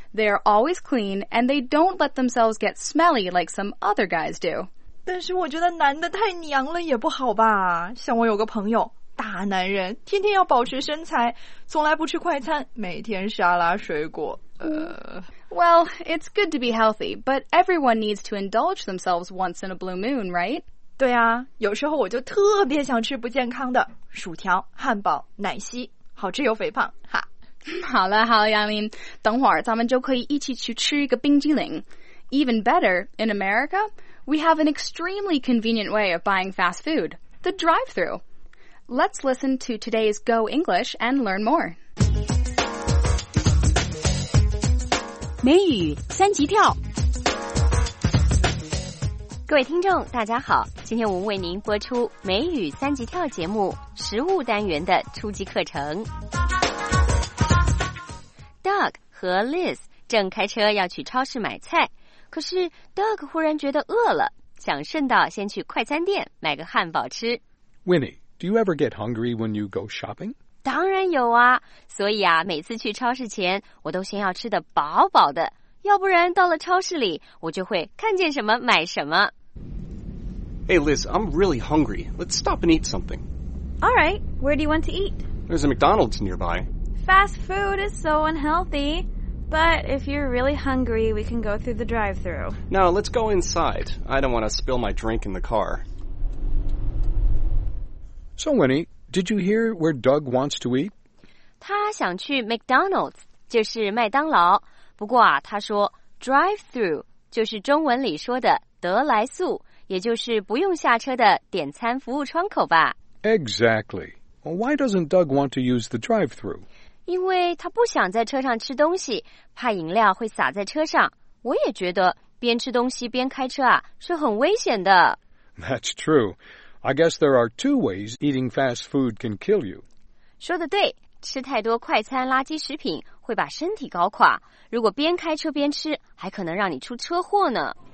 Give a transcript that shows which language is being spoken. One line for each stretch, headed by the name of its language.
English: They are always clean, and they don't let themselves get smelly like some other guys do.
Chinese: 但是我觉得男的太娘了也不好吧。像我有个朋友，大男人，天天要保持身材，从来不吃快餐，每天沙拉水果。
English: Well, it's good to be healthy, but everyone needs to indulge themselves once in a blue moon, right?
Chinese: 对啊，有时候我就特别想吃不健康的薯条、汉堡、奶昔，好吃又肥胖，哈。好了好了，杨林，等会儿咱们就可以一起去吃一个冰激凌。
English: Even better, in America, we have an extremely convenient way of buying fast food, the drive-thru. Let's listen to today's Go English and learn more.
Chinese: 美语三级跳。各位听众大家好，今天我们为您播出美语三级跳节目实务单元的初级课程。 Doug 和 Liz 正开车要去超市买菜，可是 Doug 忽然觉得饿了，想顺道先去快餐店买个汉堡吃。
English: Winnie, do you ever get hungry when you go shopping?
Chinese: 当然有啊，所以啊，每次去超市前，我都先要吃得饱饱的，要不然到了超市里，我就会看见什么买什么。
English: Hey Liz, I'm really hungry. Let's stop and eat something. All right, where do you want to eat? There's a McDonald's nearby. Fast food is so unhealthy, but if you're really hungry, we can go through the drive-thru. No, let's go inside. I don't want to spill my drink in the car. So, Winnie, did you hear where Doug wants to eat?
Chinese: 他想去 McDonald's, 就是麦当劳。不过啊，他说 drive-thru 就是中文里说的得来速，也就是不用下车的点餐服务窗口吧。
English: Exactly. Well, why doesn't Doug want to use the drive-thru?
Chinese: 因为他不想在车上吃东西，怕饮料会洒在车上。我也觉得边吃东西边开车啊，是很危险的。
English: That's true. I guess there are two ways eating fast food can kill you.
Chinese: 说的对，吃太多快餐垃圾食品会把身体搞垮。如果边开车边吃，还可能让你出车祸呢。